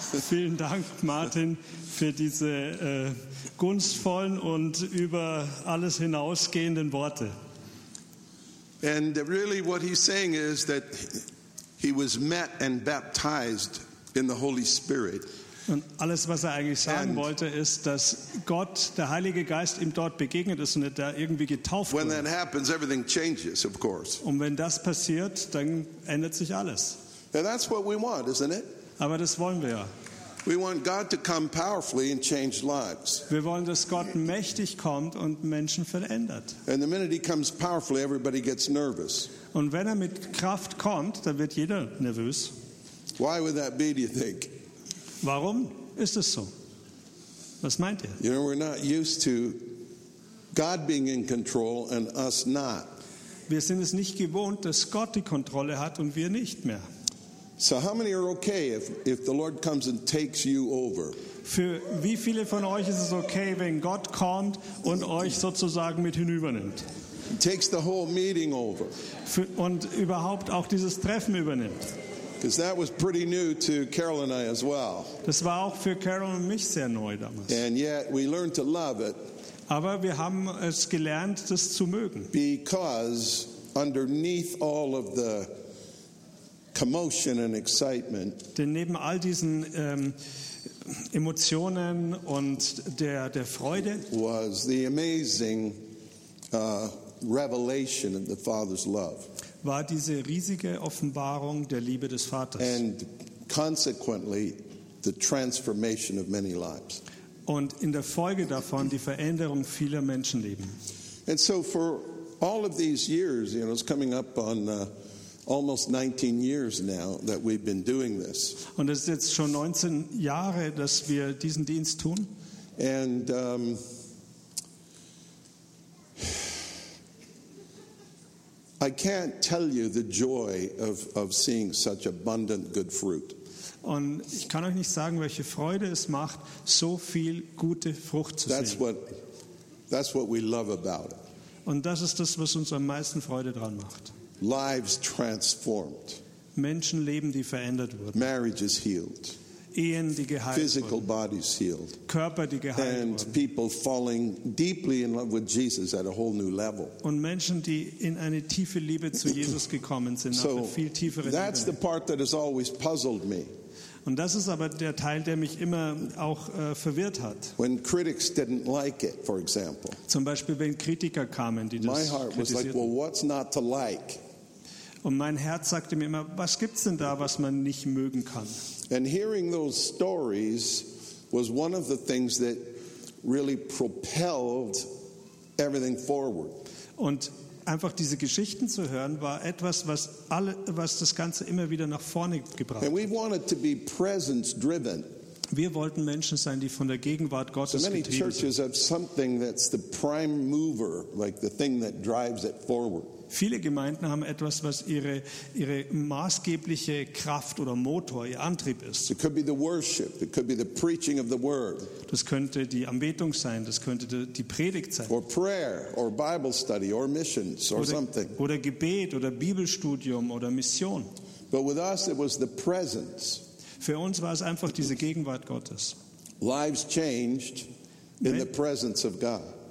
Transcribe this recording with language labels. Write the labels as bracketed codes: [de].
[de] Vielen Dank, Martin, für diese gunstvollen und über alles hinausgehenden Worte. [en] And really what he's saying is that he was met and baptized in the Holy Spirit. [de] Und alles, was er eigentlich sagen and wollte, ist, dass Gott, der Heilige Geist, ihm dort begegnet ist und er irgendwie getauft [en] when [de] wurde. [en] That happens, everything changes, of course. [de] Und wenn das passiert, dann ändert sich alles. [en] And that's what we want, isn't it? [de] Aber das wollen wir ja. [en] We want God to come powerfully and change lives. [de] Wir wollen, dass Gott mächtig kommt und Menschen verändert. [en] And the minute he comes powerfully, everybody gets nervous. [de] Und wenn mit Kraft kommt, dann wird jeder nervös. [en] Why would that be, do you think? [de] Warum ist es so? Was meint ihr? [en] You know, we're not used to God being in control and us not. [de] Wir sind es nicht gewohnt, dass Gott die Kontrolle hat und wir nicht mehr. [en] So how many are okay if the Lord comes and takes you over? [de] Für wie viele von euch ist es okay, wenn Gott kommt und euch sozusagen mit hinübernimmt? [en] Takes the whole meeting over. [de] Und überhaupt auch dieses Treffen übernimmt. [en] Because that was pretty new to Carol and I as well. [de] Das war auch für Carol und mich sehr neu damals. [en] And yet we learned to love it. [de] Aber wir haben es gelernt, das zu mögen. [en] Because underneath all of the commotion and excitement. [de] Denn neben all diesen Emotionen und der Freude [en] was the amazing revelation of the Father's love. [de] War diese riesige Offenbarung der Liebe des Vaters. [en] And consequently the transformation of many lives. [de] Und in der Folge davon die Veränderung vieler Menschenleben. [en] And so for all of these years, you know, it's coming up on almost 19 years now that we've been doing this. [de] Und es ist jetzt schon 19 Jahre, dass wir diesen Dienst tun. [en] And I can't tell you the joy of seeing such abundant good fruit. [de] Und ich kann euch nicht sagen, welche Freude es macht, so viel gute Frucht zu sehen. [en] That's what we love about it. [de] Und das ist das, was uns am meisten Freude dran macht. [en] Lives transformed. [de] Menschenleben, die verändert wurden. [en] Marriages healed. [de] Ehen, die geheilt wurden. [en] Physical bodies healed. [de] Körper, die geheilt wurden. [en] And people falling deeply in love with Jesus at a whole new level. [de] Und Menschen, die in eine tiefe Liebe zu Jesus gekommen sind, so auf eine viel tiefere Liebe. [en] That's the part that has always puzzled me. [de] Und das ist aber der Teil, der mich immer auch verwirrt hat. [en] When critics didn't like it, for example. [de] Zum Beispiel, wenn Kritiker kamen, die das [en] My heart was like, well, what's not to like? [de] Und mein Herz sagte mir immer, was gibt's denn da, was man nicht mögen kann? [en] And hearing those stories was one of the things that really propelled everything forward. [de] Und einfach diese Geschichten zu hören war etwas, was alle, was das Ganze immer wieder nach vorne gebracht [en] hat. And we wanted to be presence driven. [de] Wir wollten Menschen sein, die von der Gegenwart Gottes getrieben sind. [en] So many churches have something that's the prime mover, like the thing that drives it forward. [de] Viele Gemeinden haben etwas, was ihre maßgebliche Kraft oder Motor, ihr Antrieb ist. [en] It could be the worship, it could be the preaching of the word. [de] Das könnte die Anbetung sein, das könnte die Predigt sein. [en] Or prayer, or Bible study, or missions, or something. [de] Oder Gebet, oder Bibelstudium, oder Mission. [en] But with us it was the presence. [de] Für uns war es einfach diese Gegenwart Gottes. [en] Lives changed in the presence of God.